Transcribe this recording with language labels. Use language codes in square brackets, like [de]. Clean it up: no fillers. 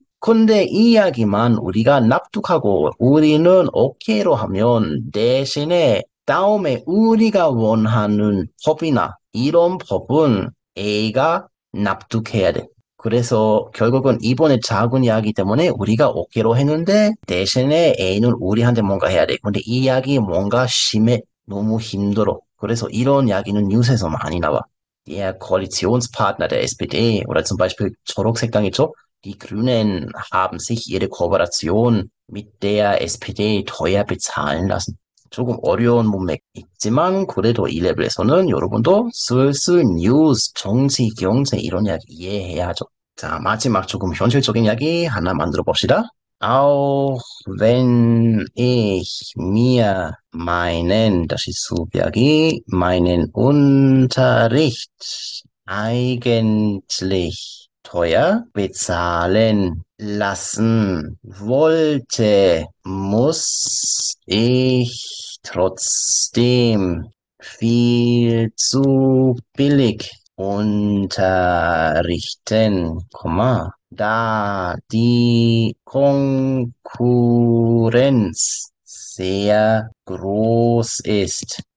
[ko] 근데 이 이야기만 우리가 납득하고 우리는 오케이로 하면 대신에 다음에 우리가 원하는 법이나 이런 법은 A가 납득해야 돼. 그래서 결국은 이번에 작은 이야기 때문에 우리가 오케이로 했는데 대신에 A는 우리한테 뭔가 해야 돼. 근데 이 이야기 뭔가 심해. 너무 힘들어. 그래서 이런 이야기는 뉴스에서 많이 나와. [de] Der Koalitionspartner der SPD oder zum Beispiel [ko] 초록색당이죠. [de] Die Grünen haben sich ihre Kooperation mit der SPD teuer bezahlen lassen. [ko] 조금 어려운 문맥 있지만 그래도 이 레벨에서는 여러분도 슬슬 뉴스, 정치, 경제 이런 이야기 이해해야죠. 자, 마지막 조금 현실적인 이야기 하나 만들어 봅시다. [de] Auch wenn ich mir meinen, das ist so wie meinen Unterricht eigentlich teuer bezahlen lassen wollte, muss ich trotzdem viel zu billig unterrichten, da die Konkurrenz sehr groß ist.